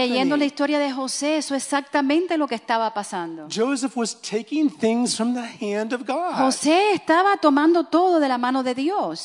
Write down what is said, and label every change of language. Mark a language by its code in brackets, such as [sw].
[es] En leyendo la historia de José, eso es exactamente lo que estaba pasando. [en] Joseph was taking things from the hand of God. [es] José estaba tomando todo de la mano de Dios.